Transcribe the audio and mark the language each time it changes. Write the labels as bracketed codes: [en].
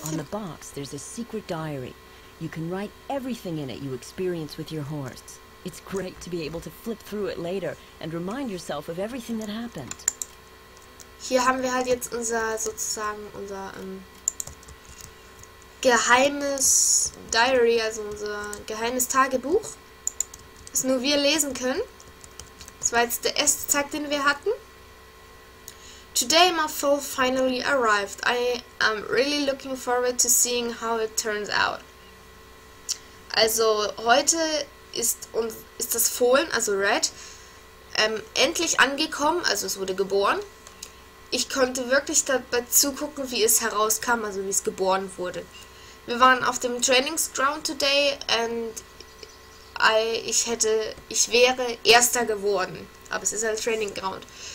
[en] On the box, there's a secret diary. You can write everything in it you experience with your horse. It's great to be able to flip through it later and remind yourself of everything that happened. [de] Hier haben wir halt jetzt unser sozusagen unser geheimes Diary, also unser geheimes Tagebuch, das nur wir lesen können. Das war jetzt der erste Tag, den wir hatten. [en] Today my foal finally arrived. I am really looking forward to seeing how it turns out. [de] Also heute ist das Fohlen, also Red, endlich angekommen, also es wurde geboren. Ich konnte wirklich dabei zugucken, wie es herauskam, also wie es geboren wurde. Wir waren auf dem Trainingsground [en] today and [de] ich wäre Erster geworden, aber es ist ein Training Ground.